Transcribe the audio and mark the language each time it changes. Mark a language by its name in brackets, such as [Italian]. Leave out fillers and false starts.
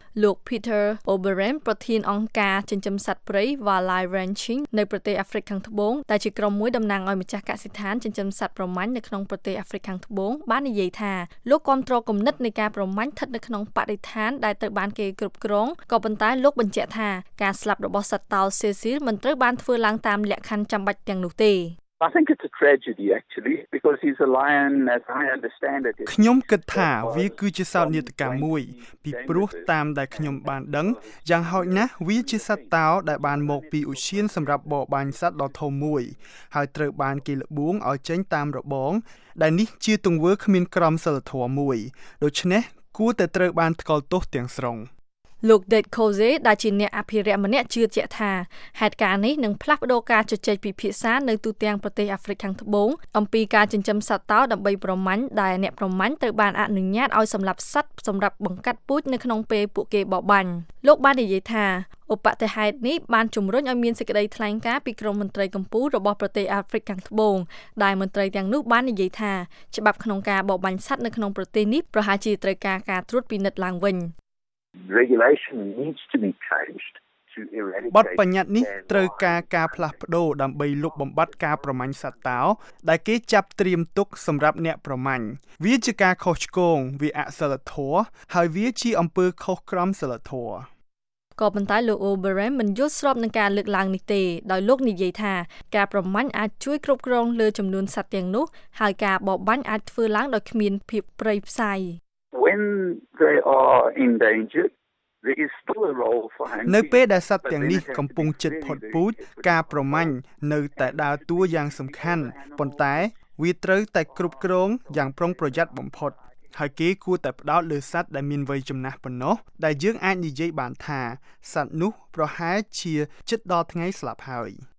[Khmer] លោក Peter Oberheim ប្រធានអង្គការចិញ្ចឹមសត្វព្រៃ Wildlife Ranching នៅប្រទេសអាហ្វ្រិកខាងត្បូងតែជាក្រុមមួយតំណាងឲ្យម្ចាស់កសិដ្ឋានចិញ្ចឹមសត្វប្រមាញ់នៅក្នុងប្រទេសអាហ្វ្រិកខាងត្បូងបាននិយាយថាលោកគ្រប់គ្រងគណិតនៃការប្រមាញ់ស្ថិតនៅក្នុងបរិស្ថានដែលត្រូវបានគេគ្រប់គ្រងក៏ប៉ុន្តែលោកបញ្ជាក់ថាការស្លាប់របស់សត្វតោសេស៊ីលមិនត្រូវបានធ្វើឡើងតាមលក្ខខណ្ឌចាំបាច់ទាំងនោះទេ [English] I think it's a tragedy actually because he's a lion as I understand it. [Khmer] ខ្ញុំគិតថាវាគឺជាសោកនាដកម្មមួយពីព្រោះតាមដែលខ្ញុំបានដឹងយ៉ាងហោចណាស់វាជាសត្វតោដែលបានមកពីឧឈានសម្រាប់បរបាញ់សត្វដ៏ធំមួយហើយត្រូវបានគេល្បួងឲ្យចេញតាមរបងដែលនេះជាទង្វើគ្មានក្រមសីលធម៌មួយដូច្នេះគួរតែត្រូវបានថ្កល់ទោសទាំងស្រុង លោក Dead Cozy ដែលជាអ្នកអភិរក្សម្នាក់ជឿជាក់ថាហេតុការណ៍នេះនឹងផ្លាស់ប្ដូរការជជែកពិភាក្សានៅទូទាំងប្រទេសអាហ្វ្រិកខាងត្បូងអំពីការចិញ្ចឹមសត្វតោដើម្បីប្រមាញ់ដែលអ្នកប្រមាញ់ត្រូវបានអនុញ្ញាតឲ្យសម្លាប់សត្វសម្រាប់បង្កាត់ពូជនៅក្នុងពេលពួកគេបរបាញ់លោកបាននិយាយថាឧបតិហេតុនេះបានជំរុញឲ្យមានសេចក្តីថ្លែងការណ៍ពីក្រមមន្ត្រីកម្ពុជារបស់ប្រទេសអាហ្វ្រិកខាងត្បូងដែលមន្ត្រីទាំងនោះបាននិយាយថាច្បាប់ក្នុងការបរបាញ់សត្វនៅក្នុងប្រទេសនេះប្រហែលជាត្រូវការការត្រួតពិនិត្យឡើងវិញ [English] Regulation needs to be changed to eradicate [Khmer] បទបញ្ញត្តិនេះត្រូវការការផ្លាស់ប្ដូរដើម្បីលុបបំបាត់ការប្រមាញ់សត្វតោដែលគេចាប់ត្រៀមទុកសម្រាប់អ្នកប្រមាញ់វាជាការខុសឆ្គងវាអសីលធម៌ហើយវាជាអំពើខុសក្រមសីលធម៌ ក៏ប៉ុន្តែលោក Oberheim មិនយល់ស្របនឹងការលើកឡើងនេះទេដោយលោកនិយាយថាការប្រមាញ់អាចជួយគ្រប់គ្រងលើចំនួនសត្វទាំងនោះហើយការបរបាញ់អាចធ្វើឡើងដោយគ្មានភាពប្រីផ្សៃ [English] When they are in danger, there is still a role for hunting. [Khmer] នៅពេលដែលសត្វទាំងនេះកំពុងជិតផុតពូជការប្រមាញ់នៅតែដើរតួយ៉ាងសំខាន់ប៉ុន្តែវាត្រូវតែគ្រប់គ្រងយ៉ាងប្រុងប្រយ័ត្នបំផុតហើយគេគួរតែផ្ដោតលើសត្វដែលមានវ័យចំណាស់ប៉ុណ្ណោះដែលយើងអាចនិយាយបានថាសត្វនោះប្រហែលជាជិតដល់ថ្ងៃស្លាប់ហើយ